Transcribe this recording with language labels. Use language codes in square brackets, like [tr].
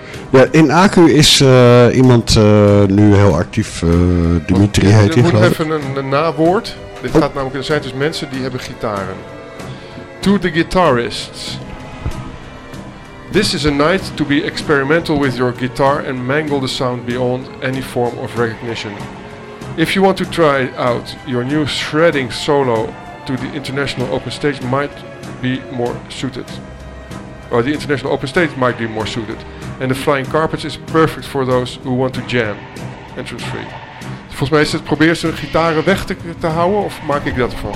[nl] Ja, in AQ is iemand nu heel actief. Dimitri heet hij, geloof ik. Even een nawoord. Dit gaat namelijk, er zijn dus mensen die hebben gitaren. [en] To the guitarists. This is a night to be experimental with your guitar and mangle the sound beyond any form of recognition. If you want to try out your new shredding solo, to the International Open Stage might be more suited. Or the International Open Stage might be more suited. And the Flying Carpets is perfect for those who want to jam. Entrance free. [nl] Volgens mij is het, probeer ze hun gitaren weg te houden, of maak ik dat ervan?